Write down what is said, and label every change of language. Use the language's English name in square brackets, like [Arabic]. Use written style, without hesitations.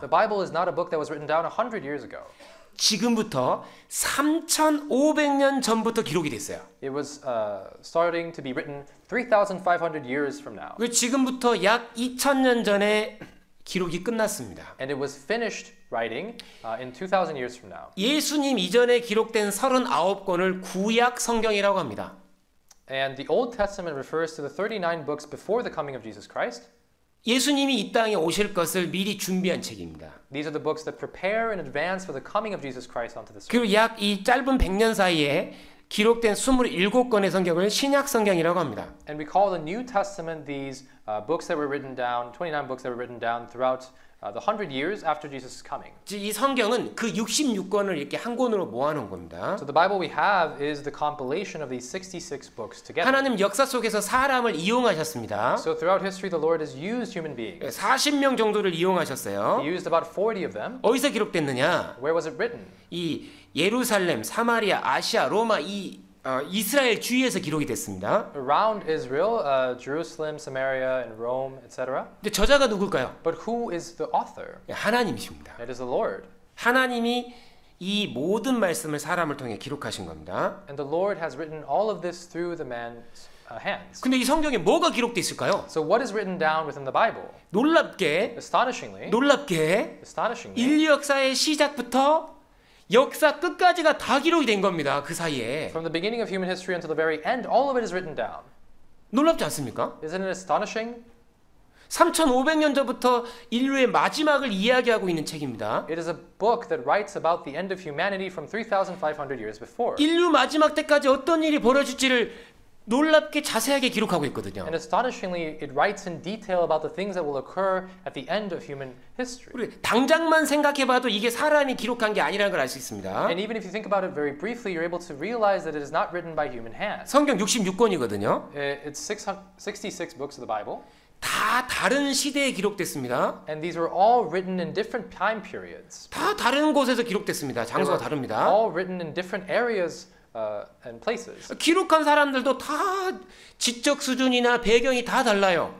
[English] The Bible is not a book that was written down 100 years ago. [Korean] 지금부터 3,500년 전부터 기록이 됐어요. [English] It was starting to be written 3,500 years from now. [Korean] 지금부터 약 2,000년 전에 기록이 끝났습니다. [English] And it was finished writing in 2000 years from now. [Korean] 예수님 이전에 기록된 39권을 구약 성경이라고 합니다. [English] And the Old Testament refers to the 39 books before the coming of Jesus Christ. [Korean] 예수님이 이 땅에 오실 것을 미리 준비한 책입니다. [English] These are the books that prepare in advance for the coming of Jesus Christ onto this earth. [Korean] 그리고 약 이 짧은 100년 사이에 기록된 27권의 성경을 신약 성경이라고 합니다. [English] And we call the New Testament these books that were written down, 29 books that were written down throughout the 100 years after Jesus' coming. [Korean] 이 성경은 그 66권을 이렇게 한 권으로 모아놓은 겁니다. [English] So the Bible we have is the compilation of these 66 books together. [Korean] 하나님 역사 속에서 사람을 이용하셨습니다. [English] So throughout history, the Lord has used human beings. [Korean] 40명 정도를 이용하셨어요. [English] He used about 40 of them. [Korean] 어디서 기록됐느냐? [English] Where was it written? [Korean] 이 예루살렘, 사마리아, 아시아, 로마 이 이스라엘 주위에서 기록이 됐습니다. [English] Around Israel, Jerusalem, Samaria, and Rome, etc. [Korean] 근데 저자가 누굴까요? [English] But who is the author? [Korean] 하나님이십니다. [English] It is the Lord. [Korean] 하나님이 이 모든 말씀을 사람을 통해 기록하신 겁니다. [English] And the Lord has written all of this through the man's hands. [Korean] 근데 이 성경에 뭐가 기록돼 있을까요? [English] So what is written down within the Bible? [Korean] 놀랍게, [English] astonishingly, [Korean] 놀랍게, [English] astonishingly, [Korean] 인류 역사의 시작부터 역사 끝까지가 다 기록이 된 겁니다. 그 사이에. [English] From the beginning of human history until the very end, all of it is written down. [Korean] 놀랍지 않습니까? [English] Isn't it astonishing? [Korean] 3,500년 전부터 인류의 마지막을 이야기하고 있는 책입니다. [English] It is a book that writes about the end of humanity from 3,500 years before. [Korean] 인류 마지막 때까지 어떤 일이 벌어질지를 놀랍게 자세하게 기록하고 있거든요. [English] And astonishingly, it writes in detail about the things that will occur at the end of human history. [Korean] 우리 당장만 생각해봐도 이게 사람이 기록한 게 아니라는 걸 알 수 있습니다. [English] And even if you think about it very briefly, you're able to realize that it is not written by human hands. [Korean] 성경 66권이거든요. [English] It's 66 books of the Bible. [Korean] 다 다른 시대에 기록됐습니다. [English] And these were all written in different time periods. [Korean] 다 다른 곳에서 기록됐습니다. 장소가 다릅니다. [English] They were all written in different areas. And places. [Korean] 기록한 사람들도 다 지적 수준이나 배경이 다 달라요.